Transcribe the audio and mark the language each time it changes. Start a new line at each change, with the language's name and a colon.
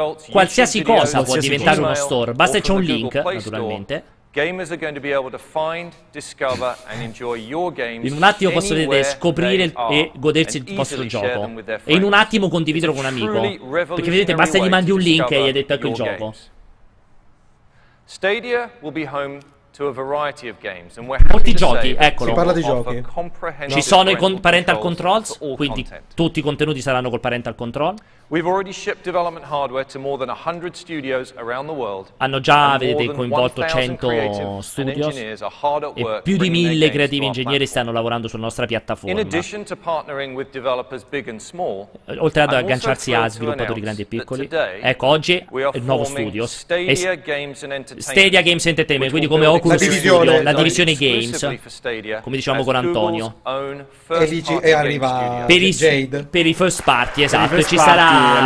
Italian: qualsiasi cosa può diventare uno store, basta che c'è un link naturalmente.
English: Gamers are going to be able to find, discover and enjoy your games.
Italian: In un attimo posso vedere, scoprire e godersi il vostro gioco. E in un attimo condividerlo con un amico. Perché vedete, basta gli mandi un link e gli hai detto ecco il gioco.
English: Stadia will be home to a variety of games and
Italian: molti giochi, eccolo. Si parla di giochi. Ci sono i parental controls, quindi tutti i contenuti saranno col parental control.
English: We've already shipped development hardware to more than 100 studios around the world.
Italian: Hanno già, vedete, coinvolto 100 studios e più di 1000 creativi ingegneri stanno lavorando sulla nostra piattaforma.
English: In addition to partnering with developers big and small,
Italian: oltre ad agganciarsi a sviluppatori grandi e piccoli, ecco oggi il nuovo studio Stadia Games Entertainment, quindi come Oculus Studio, la divisione games, come diciamo con Antonio. E arriva Jade per i first party, esatto, ci sarà.